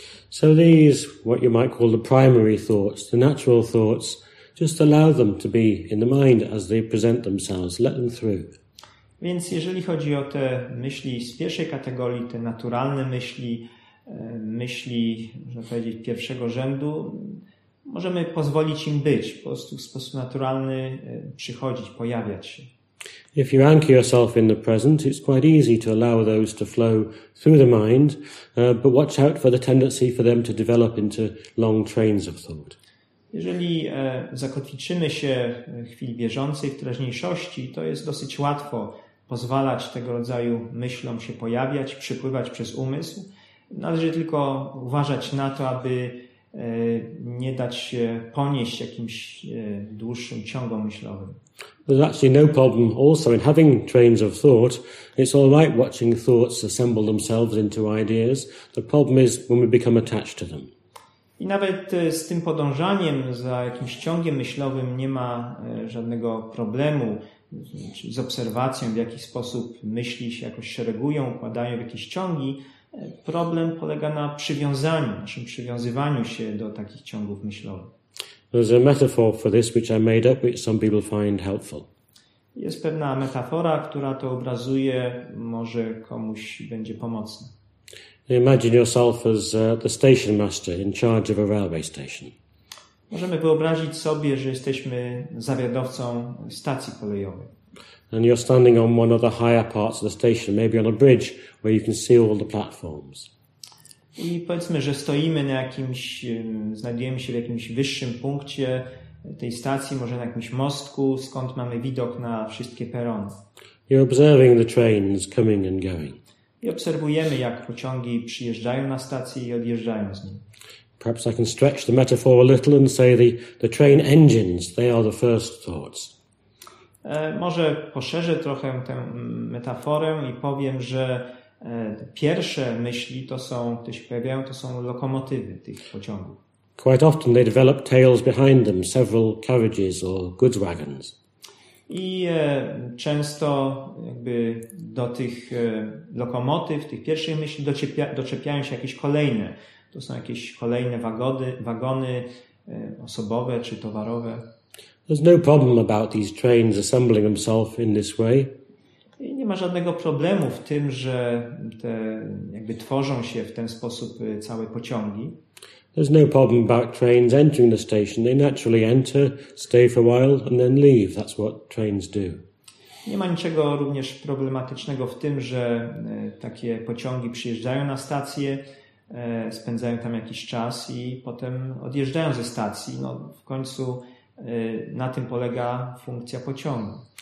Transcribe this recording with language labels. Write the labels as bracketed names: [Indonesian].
[English] So these, what you might call the primary thoughts, the natural thoughts, just allow them to be in the mind as they present themselves. Let them through. [Polish] Więc jeżeli chodzi o te myśli z pierwszej kategorii, te naturalne myśli, myśli, można powiedzieć, pierwszego rzędu, możemy pozwolić im być, po prostu w sposób naturalny przychodzić, pojawiać się. [English] If you anchor yourself in the present, it's quite easy to allow those to flow through the mind, but watch out for the tendency for them to develop into long trains of thought. [Polish] Jeżeli zakotwiczymy się w chwili bieżącej, w teraźniejszości, to jest dosyć łatwo pozwalać tego rodzaju myślom się pojawiać, przepływać przez umysł. Należy tylko uważać na to, aby nie dać się ponieść jakimś dłuższym ciągom myślowym. [English] There's actually no problem also in having trains of thought. It's all right watching thoughts assemble themselves into ideas. The problem is when we become attached to them. [Polish] I nawet z tym podążaniem za jakimś ciągiem myślowym nie ma żadnego problemu z obserwacją, w jaki sposób myśli się jakoś szeregują, układają w jakieś ciągi. Problem polega na przywiązaniu, naszym przywiązywaniu się do takich ciągów myślowych. [English] There's a metaphor for this which I made up, which some people find helpful. [Polish] Jest pewna metafora, która to obrazuje, może komuś będzie pomocna. [English] Imagine yourself as the station master in charge of a railway station. [Polish] Możemy wyobrazić sobie, że jesteśmy zawiadowcą stacji kolejowej. [English] And you're standing on one of the higher parts of the station, maybe on a bridge where you can see all the platforms. [Polish] I powiedzmy, że stoimy na jakimś, znajdujemy się w jakimś wyższym punkcie tej stacji, może na jakimś mostku, skąd mamy widok na wszystkie perony. [English] You're observing the trains coming and going. [Polish] I obserwujemy, jak pociągi przyjeżdżają na stację i odjeżdżają z niej. [English] Perhaps I can stretch the metaphor a little and say the train engines, they are the first thoughts. [Polish] Może poszerzę trochę tę metaforę i powiem, że pierwsze myśli, to są, które się pojawiają, to są lokomotywy tych pociągów. [English] Quite often they develop tails behind them, several carriages or goods wagons. [Polish] I często jakby do tych lokomotyw, tych pierwszych myśli doczepiają się jakieś kolejne. To są jakieś kolejne wagony osobowe czy towarowe. [English] There's no problem about these trains assembling themselves in this way. [Polish] I nie ma żadnego problemu w tym, że te jakby tworzą się w ten sposób całe pociągi. [English] There's no problem about trains entering the station. They naturally enter, stay for a while and then leave. That's what trains do. [Polish] Nie ma niczego również problematycznego w tym, że takie pociągi przyjeżdżają na stację, spędzają tam jakiś czas i potem odjeżdżają ze stacji. No, w końcu na tym polega funkcja pociągu.